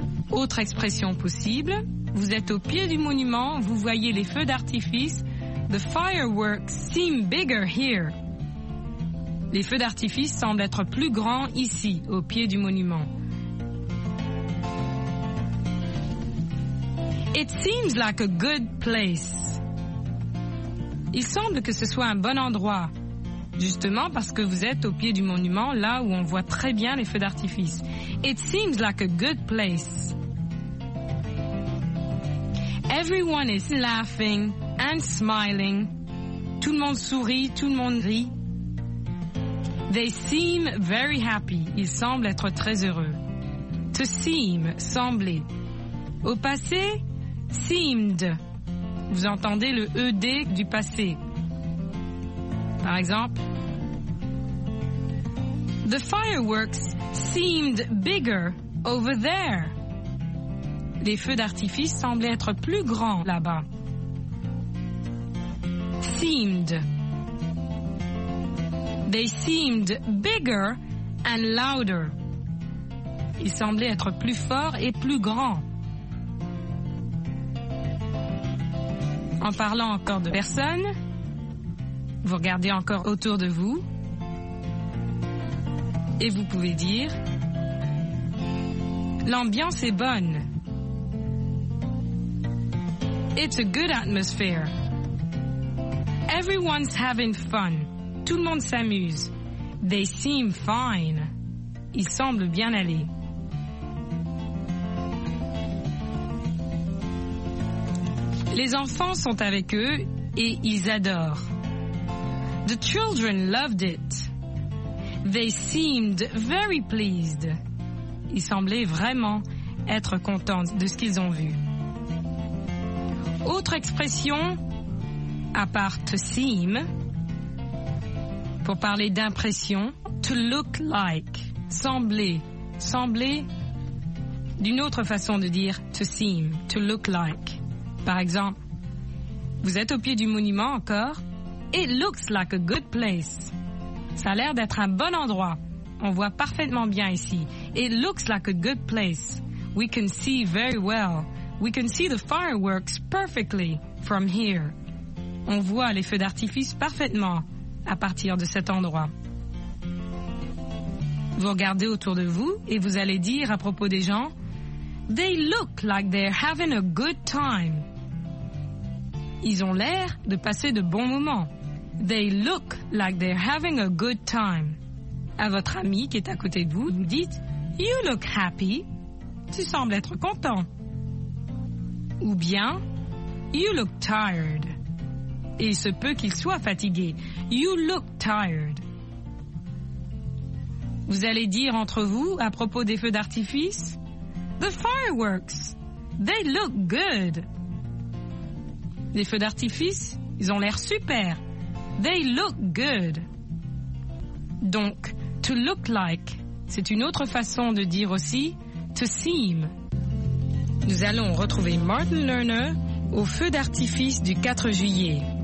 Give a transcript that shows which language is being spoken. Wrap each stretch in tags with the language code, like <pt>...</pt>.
<fr>Autre expression possible, vous êtes au pied du monument, vous voyez les feux d'artifice, «</fr> <en>The fireworks seem bigger here. »</en> <fr>Les feux d'artifice semblent être plus grands ici, au pied du monument.</fr> <en>It seems like a good place.</en> <fr>Il semble que ce soit un bon endroit, justement parce que vous êtes au pied du monument, là où on voit très bien les feux d'artifice.</fr> <en>It seems like a good place. Everyone is laughing and smiling.</en> <fr>Tout le monde sourit, tout le monde rit.</fr> <en>They seem very happy.</en> <fr>Ils semblent être très heureux.</fr> <en>To seem, sembler.</en> <fr>Au passé, seemed. Vous entendez le ED du passé. Par exemple,</fr> <en>the fireworks seemed bigger over there.</en> <fr>Les feux d'artifice semblaient être plus grands là-bas.</fr> <en>Seemed. They seemed bigger and louder.</en> <fr>Ils semblaient être plus forts et plus grands. En parlant encore de personnes, vous regardez encore autour de vous et vous pouvez dire l'ambiance est bonne.</fr> <en>It's a good atmosphere. Everyone's having fun.</en> <fr>Tout le monde s'amuse.</fr> <en>They seem fine.</en> <fr>Ils semblent bien aller. Les enfants sont avec eux et ils adorent.</fr> <en>The children loved it. They seemed very pleased.</en> <fr>Ils semblaient vraiment être contents de ce qu'ils ont vu. Autre expression, à part to seem, pour parler d'impression, to look like, sembler, sembler, d'une autre façon de dire to seem, to look like. Par exemple, vous êtes au pied du monument encore,</fr> <en>it looks like a good place.</en> <fr>Ça a l'air d'être un bon endroit, on voit parfaitement bien ici,</fr> <en>it looks like a good place, we can see very well. We can see the fireworks perfectly from here.</en> <fr>On voit les feux d'artifice parfaitement à partir de cet endroit. Vous regardez autour de vous et vous allez dire à propos des gens,</fr> <en>they look like they're having a good time.</en> <fr>Ils ont l'air de passer de bons moments.</fr> <en>They look like they're having a good time.</en> <fr>À votre ami qui est à côté de vous, vous dites,</fr> <en>you look happy.</en> <fr>Tu sembles être content. Ou bien,</fr> <en>you look tired.</en> <fr>Et il se peut qu'il soit fatigué.</fr> <en>You look tired.</en> <fr>Vous allez dire entre vous à propos des feux d'artifice,</fr> <en>the fireworks, they look good.</en> <fr>Les feux d'artifice, ils ont l'air super.</fr> <en>They look good.</en> <fr>Donc, to look like, c'est une autre façon de dire aussi to seem. Nous allons retrouver Martin Lerner au feu d'artifice du 4 juillet.</fr>